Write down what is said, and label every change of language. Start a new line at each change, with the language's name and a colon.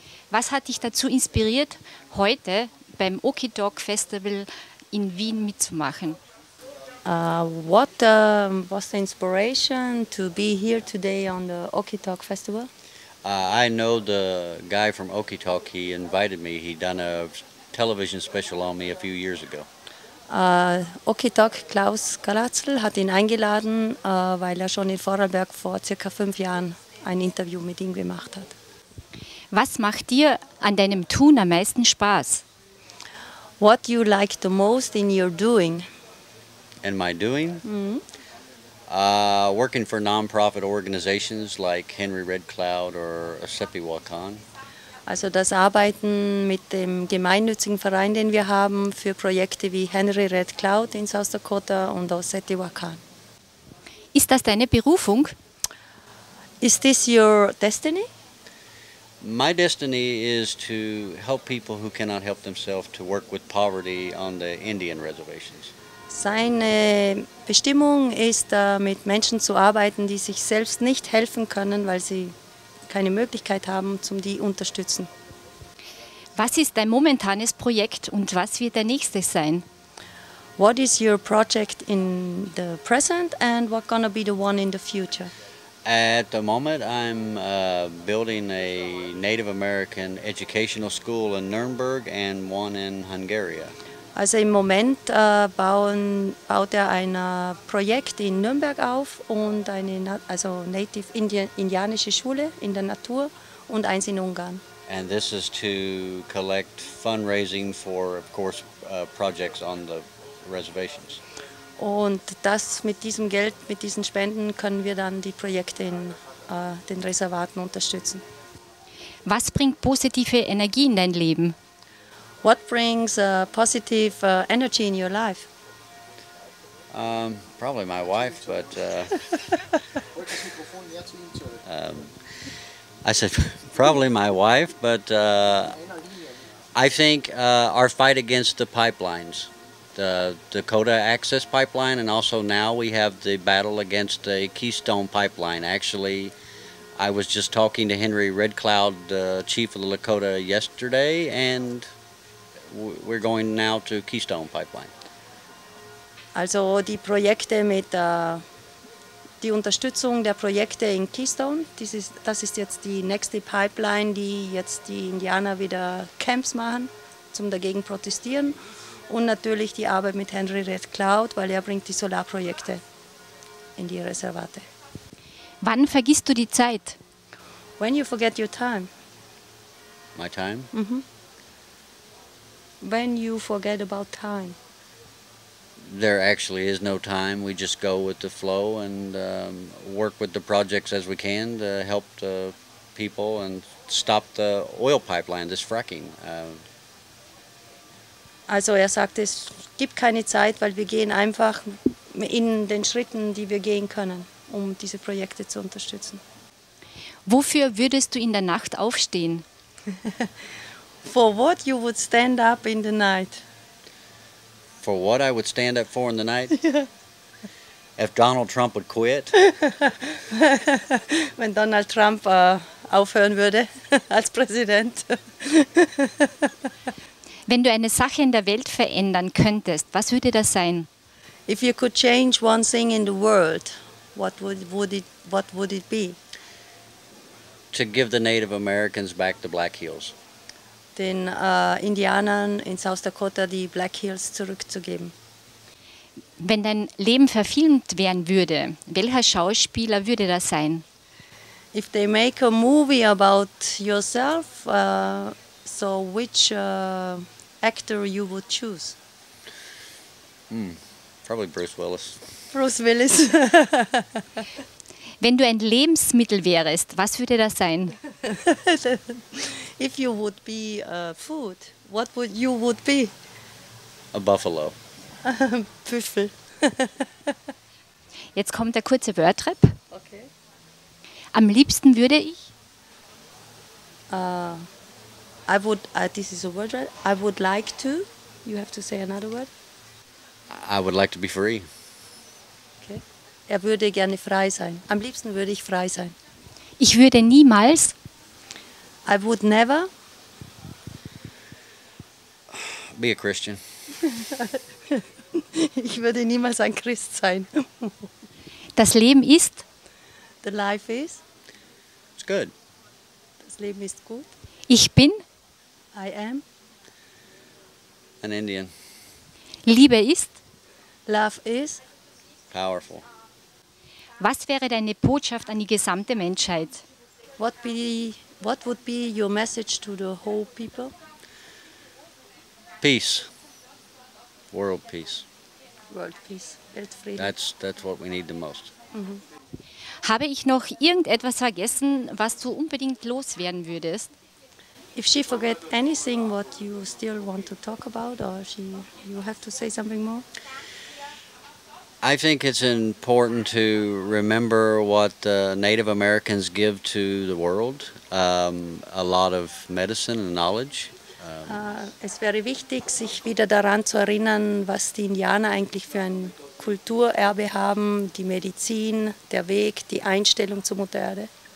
German: was hat dich dazu inspiriert, heute beim Okidok Festival in Wien mitzumachen?
English: What was the inspiration to be here today on the Okidok Festival? I know the guy from Okidok, he invited me. He done a television special on me a few years ago.
German: Okidok Klaus Galatzl hat ihn eingeladen, weil er schon in Vorarlberg vor circa 5 Jahren ein Interview mit ihm gemacht hat. Was macht dir an deinem Tun am meisten Spaß?
English: What you like the most in your doing? In my doing? Mm-hmm. Working for non-profit organizations like Henry Red Cloud or Sepi Wakan.
German: Also das Arbeiten mit dem gemeinnützigen Verein, den wir haben, für Projekte wie Henry Red Cloud in South Dakota und Sepi Wakan. Ist das deine Berufung?
English: Is this your destiny? My destiny is to help people who cannot help themselves to work with poverty on the Indian reservations.
German: Seine Bestimmung ist, mit Menschen zu arbeiten, die sich selbst nicht helfen können, weil sie keine Möglichkeit haben, zum die unterstützen. Was ist dein momentanes Projekt und was wird der nächste sein?
English: What is your project in the present and what gonna be the one in the future? At the moment I'm building a Native American educational school in Nuremberg and one in Hungary.
German: Also im Moment baut er ein Projekt in Nürnberg auf und eine indianische Schule in der Natur und eins in Ungarn.
English: And this is to collect fundraising for, of course, projects on the reservations.
German: Und das mit diesem Geld, mit diesen Spenden, können wir dann die Projekte in den Reservaten unterstützen. Was bringt positive Energie in dein Leben?
English: What brings positive energy in your life? Probably my wife, but... I said probably my wife, but I think our fight against the pipelines. The Dakota Access Pipeline, and also now we have the battle against the Keystone Pipeline. Actually, I was just talking to Henry Red Cloud, the chief of the Lakota, yesterday, and we're going now to Keystone Pipeline.
German: Also die Projekte mit die Unterstützung der Projekte in Keystone, das ist jetzt die nächste Pipeline, die jetzt die Indianer wieder Camps machen, zum dagegen protestieren. Und natürlich die Arbeit mit Henry Red Cloud, weil er bringt die Solarprojekte in die Reservate. Wann vergisst du die Zeit?
English: When you forget your time. My time? Mm-hmm. When you forget about time. There actually is no time. We just go with the flow and work with the projects as we can to help the people and stop the oil pipeline, this fracking.
German: Also er sagt, es gibt keine Zeit, weil wir gehen einfach in den Schritten, die wir gehen können, um diese Projekte zu unterstützen. Wofür würdest du in der Nacht aufstehen?
English: For what you would stand up in the night? For what I would stand up for in the night? Yeah. If Donald Trump would quit?
German: Wenn Donald Trump aufhören würde als Präsident. Wenn du eine Sache in der Welt verändern könntest, was würde das sein?
English: If you could change one thing in the world, what would it be? To give the Native Americans back the Black Hills.
German: Den Indianern in South Dakota die Black Hills zurückzugeben. Wenn dein Leben verfilmt werden würde, welcher Schauspieler würde das sein?
English: If they make a movie about yourself, so which actor you would choose? Probably Bruce Willis. Bruce Willis.
German: Wenn du ein Lebensmittel wärest, was würde das sein?
English: If you would be a food, what would you would be? A buffalo.
German: Büffel. Jetzt kommt der kurze Wordtrip. Okay. Am liebsten würde ich
English: I would like to. You have to say another word. I would like to be free.
German: Okay. Er würde gerne frei sein. Am liebsten würde ich frei sein. Ich würde niemals.
English: I would never. be a Christian.
German: Ich würde niemals ein Christ sein. Das Leben ist?
English: The life is? It's good.
German: Das Leben ist gut. Ich bin?
English: I am. An Indian.
German: Liebe ist?
English: Love is? Powerful.
German: Was wäre deine Botschaft an die gesamte Menschheit?
English: What would be your message to the whole people? Peace. World peace. World peace.
German: Weltfrieden.
English: That's what we need the most. Mm-hmm.
German: Habe ich noch irgendetwas vergessen, was du unbedingt loswerden würdest?
English: If she forget anything what you still want to talk about, or she, you have to say something more? I think it's important to remember what the Native Americans give to the world, a lot of medicine and knowledge.
German: Es wäre wichtig, sich wieder daran zu erinnern, was die Indianer eigentlich für ein Kulturerbe haben, die Medizin, der Weg, die Einstellung zur Mutter Erde.